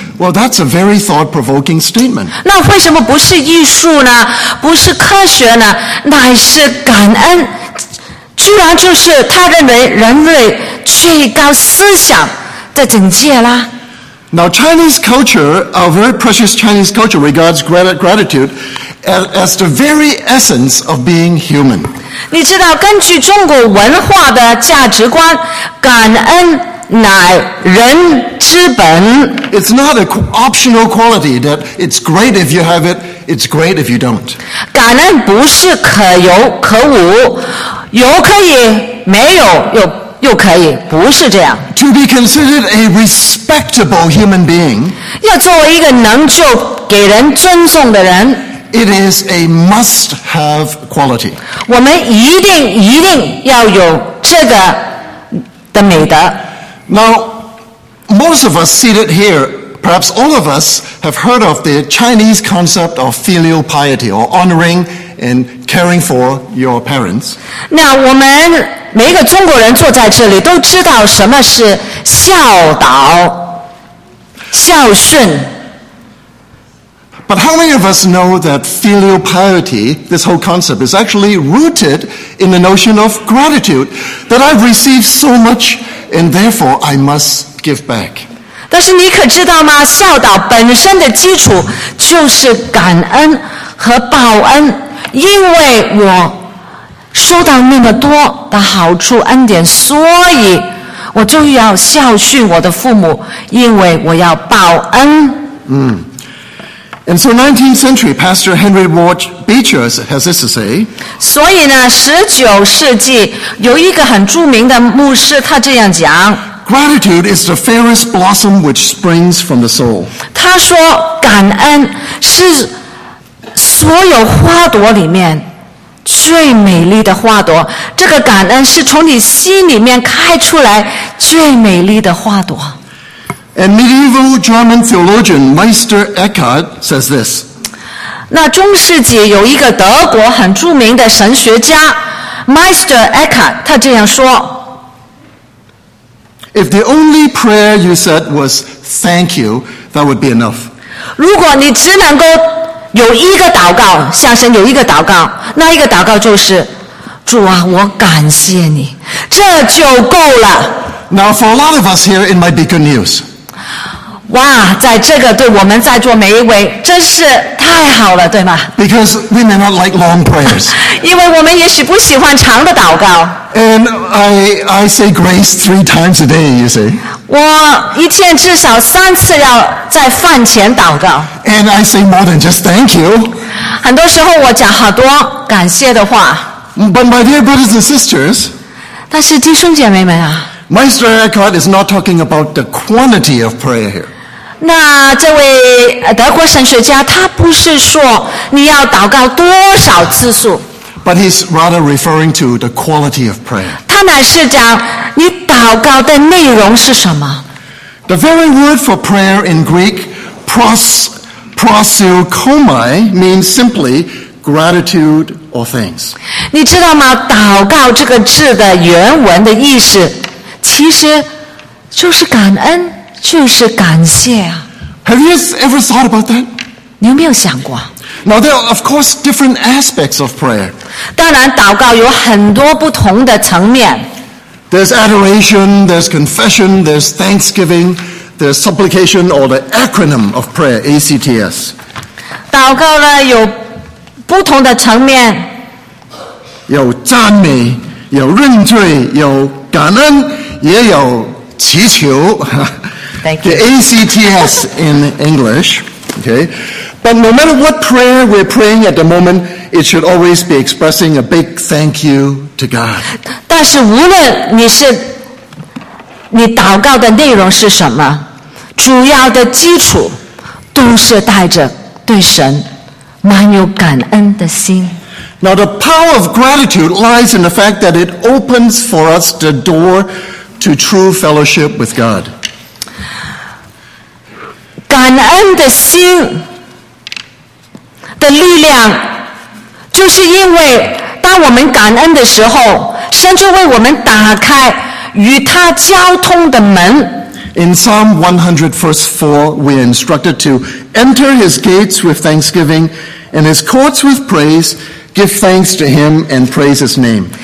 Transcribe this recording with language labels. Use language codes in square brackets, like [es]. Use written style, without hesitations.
[en] Well, that's a very thought-provoking statement. [zh] 那为什么不是艺术呢？不是科学呢？乃是感恩，居然就是他认为人类最高思想的境界啦。 [en] Now, Chinese culture, our very precious Chinese culture, regards gratitude as the very essence of being human. [zh] 你知道根据中国文化的价值观感恩乃人之本 [en] It's not an optional quality that it's great if you have it it's great if you don't [zh] 感恩不是可有可无有可以没有 又可以不是这样 [en] To be considered a respectable human being [zh] 要作为一个能就给人尊重的人 [en] It is a must-have quality. [zh] 我们一定一定要有这个的美德。 [en] Now, most of us seated here, perhaps all of us have heard of the Chinese concept of filial piety, or honoring and caring for your parents. [zh] 那我们每一个中国人坐在这里都知道什么是孝道、孝顺。 [en] But how many of us know that filial piety, this whole concept, is actually rooted in the notion of gratitude, that I've received so much, and therefore I must give back? [zh] 但是你可知道吗？孝道本身的基础就是感恩和报恩，因为我收到那么多的好处恩典，所以我就要孝顺我的父母，因为我要报恩。 [en] And so 19th century pastor Henry Ward Beecher has this to say. [zh] 所以呢 ,19 世纪有一个很著名的牧师他这样讲。 [en] Gratitude is the fairest blossom which springs from the soul. [zh] 他说感恩是所有花朵里面最美丽的花朵。这个感恩是从你心里面开出来最美丽的花朵。 [en] And medieval German theologian Meister Eckhart says this. [zh] 那中世纪有一个德国很著名的神学家 Meister Eckhart 他这样说 [en] If the only prayer you said was thank you, that would be enough. [zh] 如果你只能够有一个祷告向神有一个祷告那一个祷告就是主啊我感谢你这就够了 [en] Now for a lot of us here it might be good news. [zh] 哇在这个对我们在座每一位真是太好了对吗 [en] Because we may not like long prayers [zh] 因为我们也许不喜欢长的祷告 [en] And I say grace three times a day you see [zh] 我一天至少三次要在饭前祷告 [en] And I say more than just thank you [zh] 很多时候我讲好多感谢的话 [en] But my dear brothers and sisters [zh] 但是弟兄姐妹们啊 [en] Meister Eckhart is not talking about the quantity of prayer here. [zh] 那这位德国神学家他不是说你要祷告多少次数 [en] But he's rather referring to the quality of prayer. [zh] 他乃是讲你祷告的内容是什么 [en] The very word for prayer in Greek, proskoumai, means simply gratitude or thanks. [zh] 你知道吗？祷告这个字的原文的意思，其实就是感恩，就是感谢啊。 [en] Have you ever thought about that? [zh] 你有没有想过？ [en] Now there are of course different aspects of prayer. [zh] 当然，祷告有很多不同的层面。 [en] There's adoration, there's confession, there's thanksgiving, there's supplication, or the acronym of prayer, ACTS. [zh] 祷告呢有不同的层面，有赞美，有认罪，有感恩，也有祈求。 [en] Thank you. The ACTS in English, okay. But no matter what prayer we're praying at the moment, it should always be expressing a big thank you to God. [zh] 但是无论你祷告的内容是什么，主要的基础都是带着对神。满有感恩的心。 [en] Now the power of gratitude lies in the fact that it opens for us the door to true fellowship with God. [zh] 感恩的心的力量，就是因为当我们感恩的时候，神就为我们打开与他交通的门。 [en] In Psalm 100, verse 4, we are instructed to enter his gates with thanksgiving. And his courts with praise, give thanks to him and praise his name.